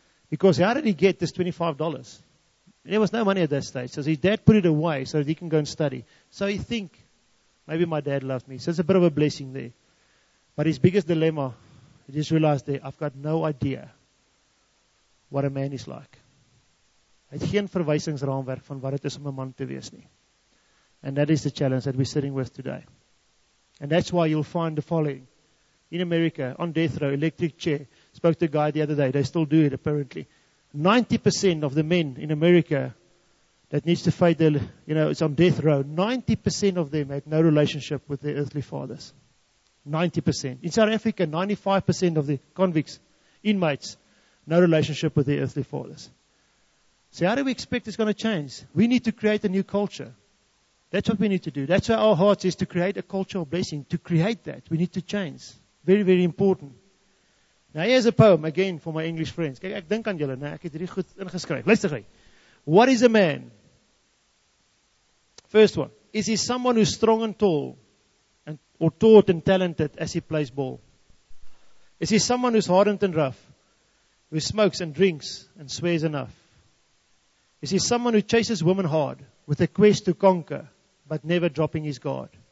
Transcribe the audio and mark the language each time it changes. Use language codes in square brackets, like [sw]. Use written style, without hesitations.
[en] Because how did he get this $25? There was no money at that stage. So his dad put it away so that he can go and study. So he think, maybe my dad loved me. So it's a bit of a blessing there. But his biggest dilemma, he just realized there, I've got no idea what a man is like. [af] Hy het geen verwysingsraamwerk van wat het is om 'n man te wees nie. [en] And that is the challenge that we're sitting with today. And that's why you'll find the following. In America, on death row, electric chair. Spoke to a guy the other day. They still do it, apparently. 90% of the men in America that needs to fight their, you know, it's on death row. 90% of them had no relationship with their earthly fathers. 90%. In South Africa, 95% of the convicts, inmates, no relationship with their earthly fathers. So how do we expect it's going to change? We need to create a new culture. That's what we need to do. That's where our hearts is, to create a culture of blessing. To create that, we need to change. Very, very important. Now here's a poem again for my English friends. [af] Kijk, ek dink aan julle, nee, ek het hierdie goed ingeskryf. Luister gou. [en] What is a man? First one. Is he someone who's strong and tall, and or taught and talented as he plays ball? Is he someone who's hardened and rough, who smokes and drinks and swears enough? Is he someone who chases women hard with a quest to conquer, but never dropping his guard?